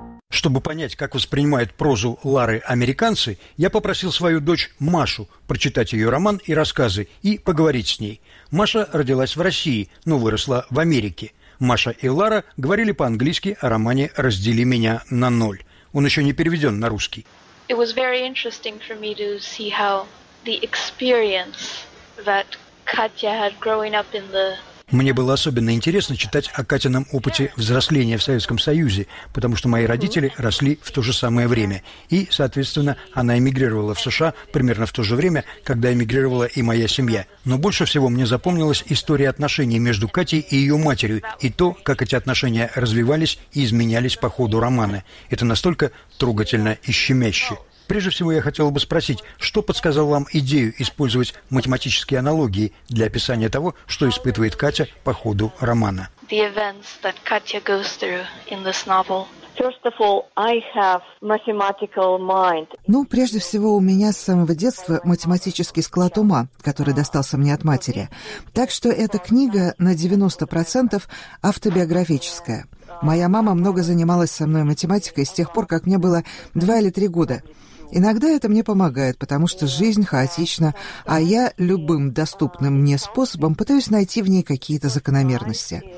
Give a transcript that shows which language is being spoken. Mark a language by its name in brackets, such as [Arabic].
[Russian] Чтобы понять, как воспринимают прозу Лары американцы, я попросил свою дочь Машу прочитать ее роман и рассказы и поговорить с ней. Маша родилась в России, но выросла в Америке. Маша и Лара говорили по-английски о романе «Раздели меня на ноль». Он еще не переведен на русский. [English] It was very interesting for me to see how the experience that Katya had growing up in the... [Russian] Мне было особенно интересно читать о Катином опыте взросления в Советском Союзе, потому что мои родители росли в то же самое время. И, соответственно, она эмигрировала в США примерно в то же время, когда эмигрировала и моя семья. Но больше всего мне запомнилась история отношений между Катей и ее матерью и то, как эти отношения развивались и изменялись по ходу романа. Это настолько трогательно и щемяще. Прежде всего, я хотела бы спросить, что подсказало вам идею использовать математические аналогии для описания того, что испытывает Катя по ходу романа? [English] The events that Katya goes through in this novel. First of all, I have mathematical mind. [Russian] Ну, прежде всего, у меня с самого детства математический склад ума, который достался мне от матери. Так что эта книга на 90% автобиографическая. Моя мама много занималась со мной математикой с тех пор, как мне было 2 или 3 года. Иногда это мне помогает, потому что жизнь хаотична, а я любым доступным мне способом пытаюсь найти в ней какие-то закономерности.